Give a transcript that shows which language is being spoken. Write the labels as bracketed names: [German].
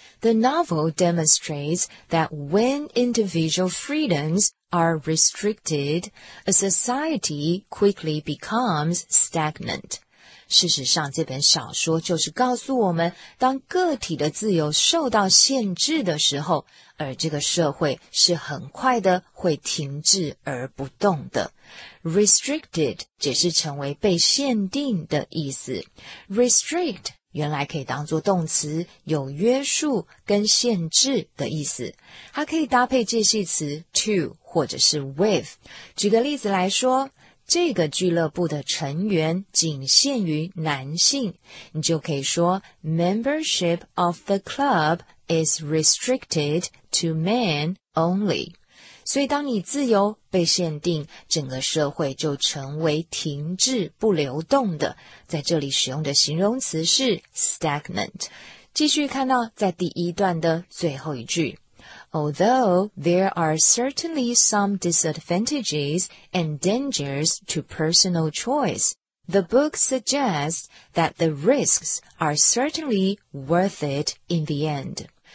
[English] The novel demonstrates that when individual freedoms are restricted, a society quickly becomes stagnant. [Chinese] 事实上这本小说就是告诉我们当个体的自由受到限制的时候而这个社会是很快的会停滞而不动的。 Restricted 解释成为被限定的意思。 Restrict 原来可以当作动词有约束跟限制的意思。它可以搭配介系词 to 或者是 with。举个例子来说这个俱乐部的成员仅限于男性，你就可以说 [English] Membership of the club is restricted to men only. [Chinese] 所以当你自由被限定，整个社会就成为停滞不流动的。在这里使用的形容词是 stagnant。继续看到在第一段的最后一句。 [English] Although there are certainly some disadvantages and dangers to personal choice, the book suggests that the risks are certainly worth it in the end.